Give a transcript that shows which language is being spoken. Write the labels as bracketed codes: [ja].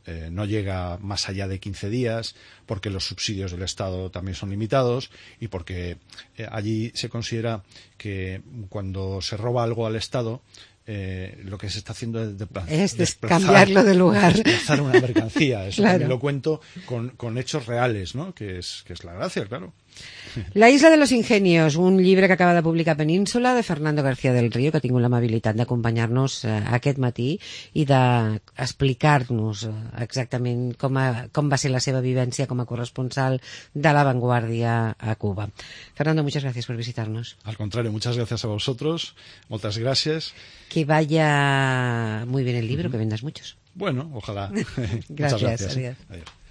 [es] no llega más allá de 15 días, porque los subsidios del Estado también son limitados y porque allí se considera que cuando se roba algo al Estado, lo que se está haciendo es desplazar, cambiarlo de lugar, desplazar una mercancía. Eso claro. También lo cuento con hechos reales, ¿no? Que es la gracia, claro. [ca] La Isla de los Ingenios, un llibre que acaba de publicar Península, de Fernando García del Río, que ha tingut l'amabilitat d'acompanyar-nos aquest matí i d'explicar-nos exactament com va ser la seva vivència com a corresponsal de La Vanguardia a Cuba. [es] Fernando, muchas gracias por visitarnos. Al contrario, muchas gracias a vosotros, [ca] moltes gràcies. [es] Que vaya muy bien el libro, que vendas muchos. Bueno, ojalá. Gracias. Muchas gracias. Adiós. Adiós.